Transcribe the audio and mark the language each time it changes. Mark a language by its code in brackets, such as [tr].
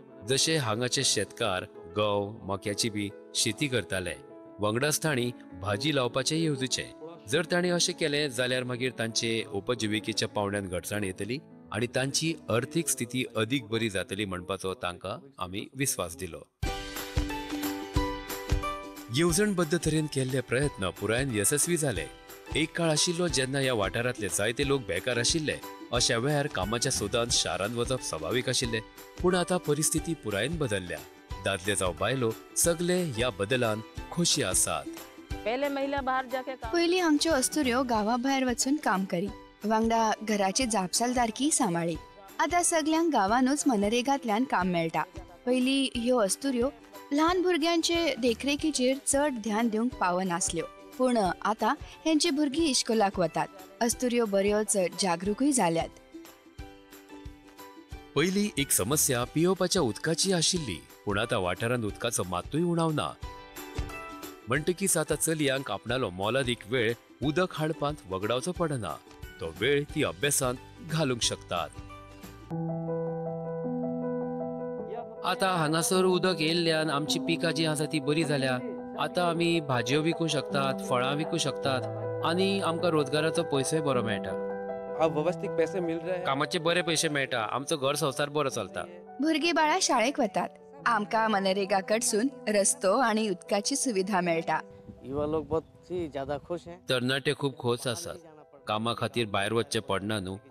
[gom] जशे हांगाचे शेतकार गंव मक्याची बी शेती करताले, वांगडाच ताणी भाजी लावपाचे येवजुचे. जर ताणी अशें केले जाल्यार मागीर तांचे उपजिविकेच्या पावण्यान घटसाण येतली आनी तांची अर्थीक स्थिती अधिक बरी जातली म्हणपाचो तांकां आमी विस्वास दिलो. येवजणबद्ध तरेन केल्ले प्रयत्न पुरायन यशस्वी झाले. एक काळ आशिल्लो जेन्ना ह्या वाठारांतले जायते लोक बेकार आशिल्ले. अशा वेळार कामाच्या सोदान शारांत वचप स्वाभावीक आशिल्ले, पूण आतां परिस्थिती पुरायन बदल्ल्या. दादले जावं बायलो सगळे ह्या बदलान खुशी आसात. पयलीं आमच्यो अस्तुऱ्यो गांवा भायर वचून काम करी, वांगडा घराची जापसालदारकी सांबाळी. आतां सगळ्यांक गांवानूच मनरेगांतल्यान काम मेळटा. पयलीं ह्यो अस्तुऱ्यो ल्हान भुरग्यांचे देखरेखीचेर चड ध्यान दिवंक पावनासल्यो, पूण आतां हेंची भुरगीं इश्कोलाक वतात. अस्तुऱ्यो बऱ्योच जागृकूय जाल्यात. पयलीं एक समस्या पियोवपाच्या उदकाची आशिल्ली, पूण आतां वाठारांत उदकाचो मात्तूय उणाव ना. म्हणटकीच आतां चलयांक आपणालो मोलादीक वेळ उदक हाडपांत वगडावचो पडना. तो वेळ ती अभ्यासांत घालूंक शकतात. आतां हांगासर उदक येयल्ल्यान आमची पिकां जीं आसा तीं बरीं जाल्या. आतां आमी भाजयो विकूंक शकतात, फळां विकूंक शकतात आनी आमकां रोजगाराचो पयसोय बरो मेळटा. कामाचे बरे पयशे मेळटा, आमचो घर संवसार बरो चलता. भुरगीं बाळा शाळेक वतात, आमका मनरेगा कडसून रस्तो आणि उदकाची सुविधा मेळटा. [hi] युवा लोक बहुत ज्यादा खुश है. [gom] तरणाटे खूप खुश असतात. कामा खातीर भायर वच्चे पडना न्हू.